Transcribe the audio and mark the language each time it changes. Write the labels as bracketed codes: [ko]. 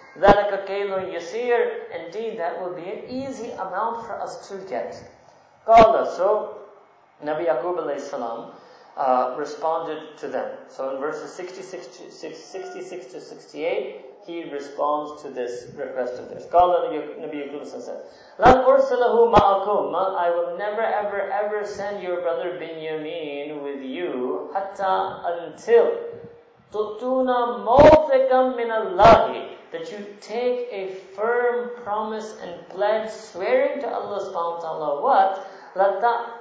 [ar] ذَلَكَ كَيْلٌ يَسِيرٌ. [en] Indeed, that will be an easy amount for us to get. [ar] قَالَ. [en] So, Nabi Yaqub alayhi salam responded to them. So in verses 66 to 68, he responds to this request of theirs. [ar] قَالَ [en] Nabi Yaqub said, [ar] لَنْ أُرْسَلَهُ مَعَكُمْ. [en] I will never ever ever send your brother Binyamin with you, حَتَّى until [ar] تُطُونَ مَوْثِقًا مِنَ اللَّهِ, [en] that you take a firm promise and pledge, swearing to Allah subhanahu wa ta'ala, what?